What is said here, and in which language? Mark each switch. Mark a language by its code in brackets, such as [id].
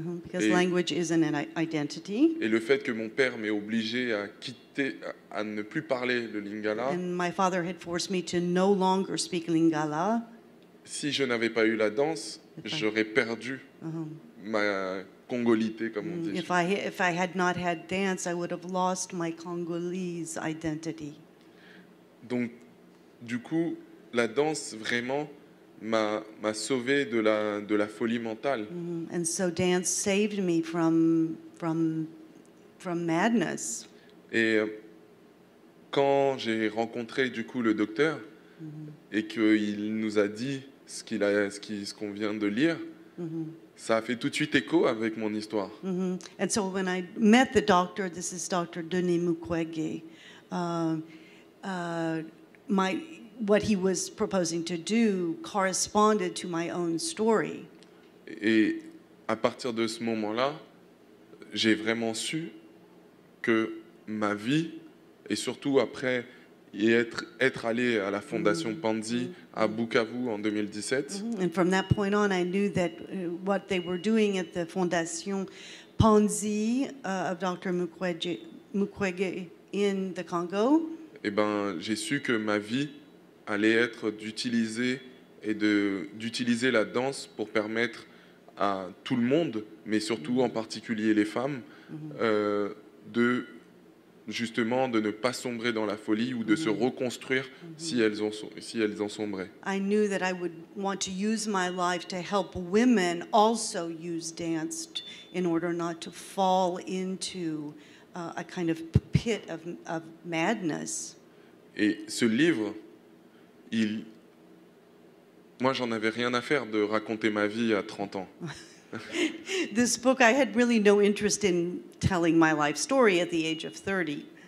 [en] Because language isn't an identity. [fr] Et le fait que mon père m'ait obligé à quitter, à ne plus parler le Lingala. [en] And my father had forced me to no longer speak Lingala. [fr] Si je n'avais pas eu la danse, j'aurais perdu ma congolité, comme on dit. [en] If I had not had dance, I would have lost my Congolese identity. [fr] Donc, du coup, la danse vraiment m'a sauvé de la folie mentale. [en] And so dance saved me from madness. [fr] Et quand j'ai rencontré du coup le docteur et qu'il nous a dit ce qu'on vient de lire, ça a fait tout de suite écho avec mon histoire. [en] And so when I met the doctor, this is Dr. Denis Mukwege, what he was proposing to do corresponded to my own story. [fr] Et à partir de ce moment-là, j'ai vraiment su que ma vie, et surtout après être allé à la Fondation Panzi à Bukavu en 2017. [en] And from that point on, I knew that what they were doing at the Fondation Panzi of Dr. Mukwege in the Congo. [fr] Et ben, j'ai su que ma vie allait être d'utiliser et d'utiliser la danse pour permettre à tout le monde, mais surtout en particulier les femmes, de ne pas sombrer dans la folie ou de se reconstruire si elles ont sombré. [en] I knew that I would want to use my life to help women also use dance in order not to fall into a kind of pit of madness. [fr] Et ce livre, moi, j'en avais rien à faire de raconter ma vie à 30 ans. [en] This book, I had really no interest in telling my life story at the age of 30.